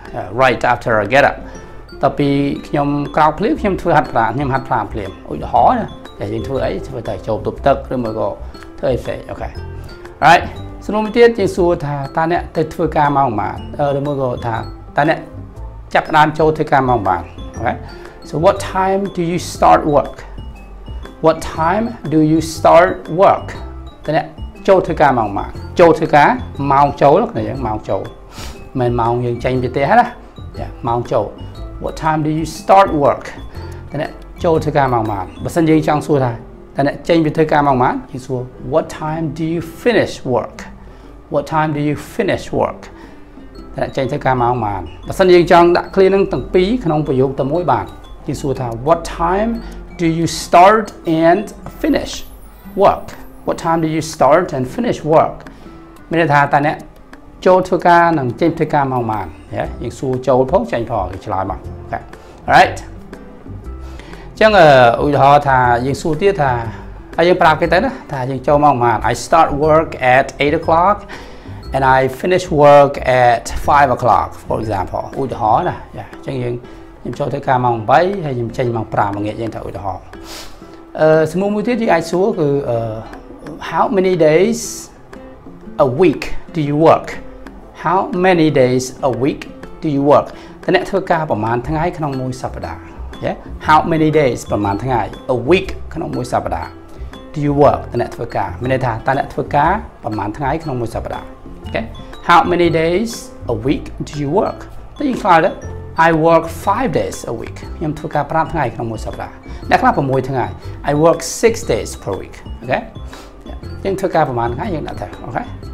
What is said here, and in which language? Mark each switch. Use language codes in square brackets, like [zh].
[en] right after I get up. [km] ដល់ពីខ្ញុំក្រោកភ្លាមខ្ញុំធ្វើហាត់ប្រាណខ្ញុំហាត់ប្រាណភ្លាមឧទាហរណ៍តែយើងធ្វើអីធ្វើតែចូលទប់ទឹកឬមកក៏ធ្វើអីផ្សេងអូខេ Right សំណួរមួយទៀតយើងសួរថាតើអ្នកទៅធ្វើការម៉ោងម៉ាឬមកក៏ថាតើអ្នកចាប់ផ្ដើមចូលធ្វើការម៉ោងម៉ាអូខេ [en] So what time do you start work? What time do you start work? [km] តើអ្នកចូលធ្វើការម៉ោងម៉ាចូលធ្វើការម៉ោងចូលគ្នាម៉ោងចូលមិនម៉ោងយើងចេញពីផ្ទះហ្នឹងណាម៉ោងចូល [en] What time do you start work? [km] តើអ្នកចូលធ្វើការម៉ោងម៉ាបើសិនជាយើងចង់សួរថាតើអ្នកចេញពីធ្វើការម៉ោងម៉ាយើងសួរ [en] What time do you finish work? What time do you finish work? [km] តើអ្នកចេញធ្វើការម៉ោងម៉ាបើសិនជាយើងចង់ដាក់ clear នឹងទាំងពីរក្នុងប្រយោគតែមួយបាទយើងសួរថា [en] What time do you start and finish work? What time do you start and finish work? [km] មានន័យថាតើអ្នកចូលធ្វើការនឹងចេញធ្វើការម៉ោងម៉ាយើងសួរចូលផងចាញ់ផងឆ្លើយមកអូខេ Alright អញ្ចឹងឧទាហរណ៍ថាយើងសួរទៀតថាហើយយើងប្រាប់គេទៅណាថាយើងចូលម៉ោងម៉ាន [en] I start work at 8 o'clock and I finish work at 5 o'clock for example [km] ឧទាហរណ៍ណាអញ្ចឹងយើងចូលធ្វើការម៉ោង8ហើយយើងចេញម៉ោង5ល្ងាចយើងថាឧទាហរណ៍សំណួរមួយទៀតគេអាចសួរគឺ [en] how many days a week do you workHow many days a week do you work? [km] តើអ្នកធ្វើការប្រមាណថ្ងៃក្នុងមួយសប្តាហ៍ Yeah. [en] How many days [km] ប្រមាណថ្ងៃ [en] a week [km] ក្នុងមួយសប្តាហ៍ [en] Do you work? [km] តើអ្នកធ្វើការមានន័យថាតើអ្នកធ្វើការប្រមាណថ្ងៃក្នុងមួយសប្តាហ៍ Okay. [en] How many days a week do you work? [km] តើយើងខ្លាចទេ [en] I work 5 days a week. [km] ខ្ញុំធ្វើការ5ថ្ងៃក្នុងមួយសប្តាហ៍អ្នកខ្លះ6ថ្ងៃ [en] I work 6 days per week. Okay? [km] យើងធ្វើការប្រមាណថ្ងៃយើងដាក់ថា Okay.